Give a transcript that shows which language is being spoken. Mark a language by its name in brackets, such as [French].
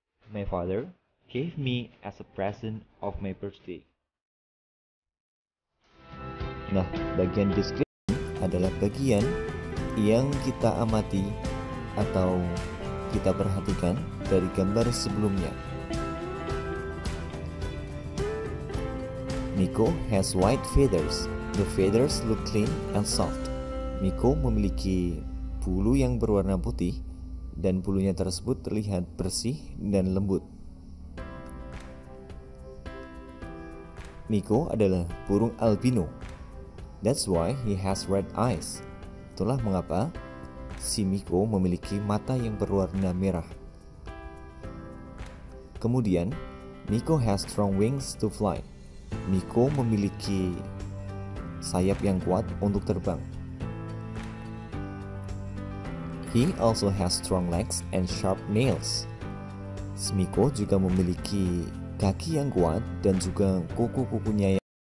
[English] My father gave me as a present of my birthday. [Indonesian] Nah, bagian description adalah bagian yang kita amati atau kita perhatikan dari gambar sebelumnya. [English] Miko has white feathers. The feathers look clean and soft. [Indonesian] Miko memiliki bulu yang berwarna putih dan bulunya tersebut terlihat bersih dan lembut. Miko adalah burung albino. [English] That's why he has red eyes. [Indonesian] Itulah mengapa si Miko memiliki mata yang berwarna merah. [English] Kemudian, Miko has strong wings to fly. [Indonesian] Miko memiliki sayap yang kuat untuk terbang. [English] He also has strong legs and sharp nails. [Indonesian] Miko juga memiliki kaki yang kuat dan juga kuku-kukunya yang